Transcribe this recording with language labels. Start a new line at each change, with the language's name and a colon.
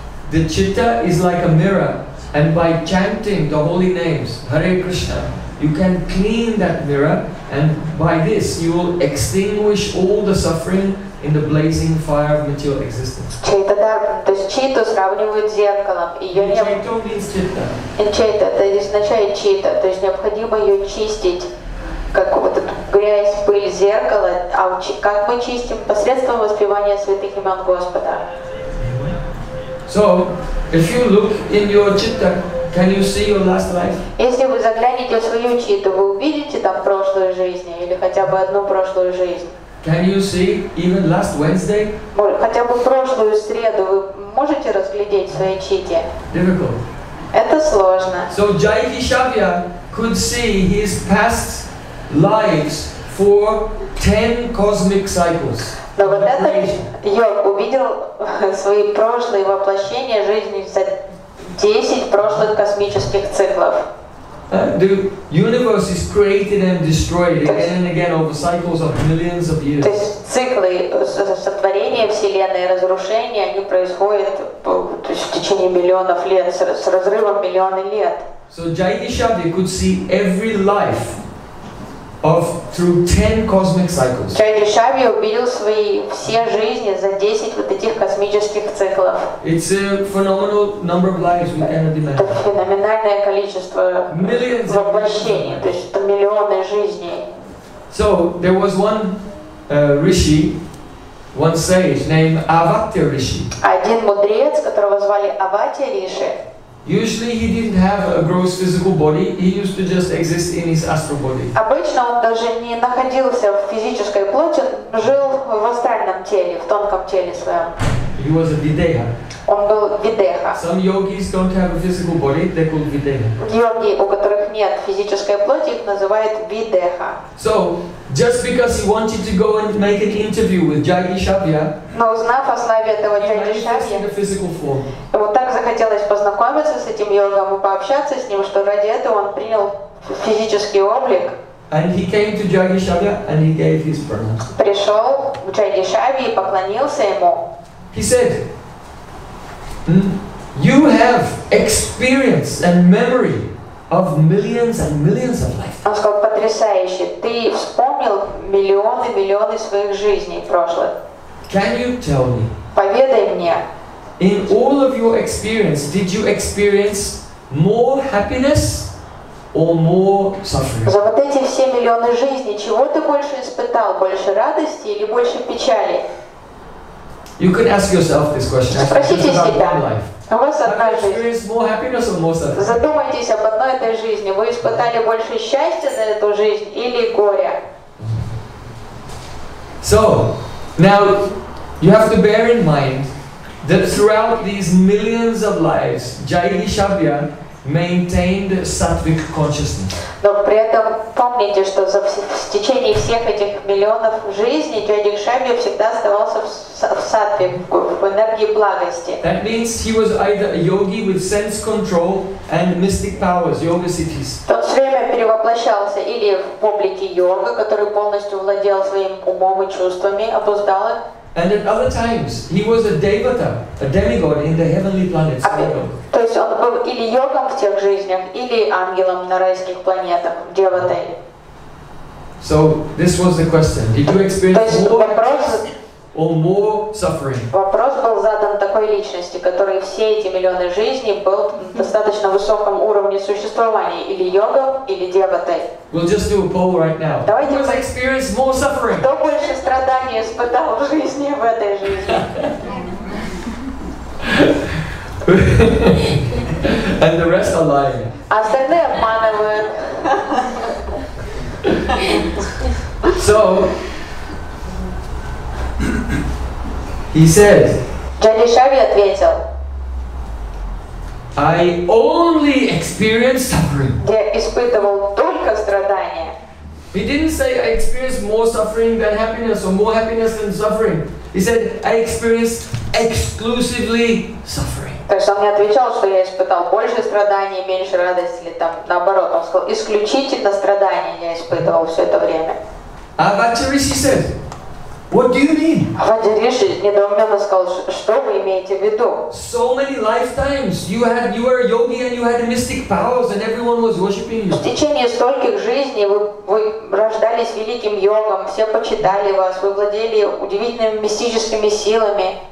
English: The chitta is like a mirror, and by chanting the holy names, Hare Krishna, you can clean that mirror, and by this you will extinguish all the suffering in the blazing fire of material existence.
Russian: Chaito Darpana, то есть читу сравнивают с зеркалом.
English: Chaito means chitta.
Russian: Chaito, это означает читу, то есть необходимо ее чистить. Как вот эту грязь, пыль, зеркало, а как мы чистим посредством воспевания святых имен Господа.
English: So, if you look in your chitta, can you see your last life?
Russian: Если вы заглянете в свою читу, вы увидите там прошлую жизнь или хотя бы одну прошлую жизнь?
English: Can you see even last Wednesday?
Russian: Хотя бы прошлую среду вы можете разглядеть в своей чите?
English: Difficult.
Russian: Это сложно.
English: So Jai Kishavya could see his past lives for 10 cosmic cycles.
Russian: Но вот этот йог увидел свои прошлые воплощения жизни за 10 прошлых космических циклов.
English: The universe is created and destroyed again and again over cycles of millions of years.
Russian: То есть циклы сотворения Вселенной, разрушения, они происходят в течение миллионов лет, с разрывом миллионы лет.
English: So Jai Kishavya could see every life of through 10 cosmic cycles.
Russian: Чай Дешави увидел свои все жизни за 10 вот этих космических циклов.
English: It's a phenomenal number of lives we cannot imagine.
Russian: Это феноменальное количество воплощений, то есть это миллионы жизней.
English: So there was one Rishi, one sage named Avatya Rishi.
Russian: Один мудрец, которого звали Аватья Риши.
English: Usually he didn't have a gross physical body, he used to just exist in his astral body.
Russian: Обычно он даже не находился в физической плоти, жил в астральном теле, в тонком теле своем.
English: He was a videha.
Russian: Он был видеха.
English: Some yogis don't have a physical body, they call videha.
Russian: Йоги, у которых нет физической плоти, их называют видеха.
English: So, just because he wanted to go and make an interview with Jai Kishavya,
Russian: но узнав о славе этого Jai Kishavya,
English: in a physical form.
Russian: Вот так захотелось познакомиться с этим йогом и пообщаться с ним, что ради этого он принял физический облик.
English: And he came to Jai Kishavya and he gave his pranam.
Russian: Пришел к Jai Kishavya и поклонился ему.
English: He said, you have experience and memory of millions and millions of lives.
Russian: Он сказал, потрясающе, ты вспомнил миллионы и миллионы своих жизней прошлых.
English: Can you tell me?
Russian: Поведай мне.
English: In all of your experience, did you experience more happiness or more suffering?
Russian: За вот эти все миллионы жизней, чего ты больше испытал, больше радости или больше печали?
English: You can ask yourself this question.
Russian: Спросите себя.
English: Have you experienced more happiness or more suffering?
Russian: Задумайтесь об одной этой жизни. Вы испытали больше счастья за эту жизнь или горя?
English: So, now you have to bear in mind that throughout these millions of lives, Jai Kishavya maintained sattvic consciousness.
Russian: Но при этом помните, что за течение всех этих миллионов жизней Jai Kishavya всегда оставался в сатве, в энергии благости.
English: That means he was either a yogi with sense control and mystic powers, yoga siddhis.
Russian: То все время перевоплощался или в облике йога, который полностью владел своим умом и чувствами, обуздал их.
English: And at other times, he was a devata, a demigod in the heavenly planets.
Russian: То есть он был или йогом в тех жизнях, или ангелом на райских планетах, деватой.
English: So this was the question: did you experience more or more suffering?
Russian: Вопрос был задан такой личности, который все эти миллионы жизней был на достаточно высоком уровне существования, или йогом, или деватой.
English: We'll just do a poll right now.
Russian: Давайте.
English: Who has experienced more suffering?
Russian: Кто больше страданий испытал в жизни в этой жизни?
English: And the rest are lying.
Russian: Остальные обманывают.
English: So, he said,
Russian: Jai Kishavya ответил,
English: I only experienced suffering.
Russian: Я испытывал только страдания.
English: He didn't say I experienced more suffering than happiness or more happiness than suffering. He said I experienced exclusively suffering.
Russian: То есть он не отвечал, что я испытал больше страданий, меньше радости или там наоборот. Он сказал исключительно страдания я испытывал все это время.
English: А Бхатчариси said, what do you mean?
Russian: А Бхатчариси недоуменно сказал, что вы имеете в виду?
English: So many lifetimes you were a yogi and you had mystic powers and everyone was worshiping you.
Russian: В течение стольких жизней вы рождались великим йогом, все почитали вас, вы владели удивительными мистическими силами.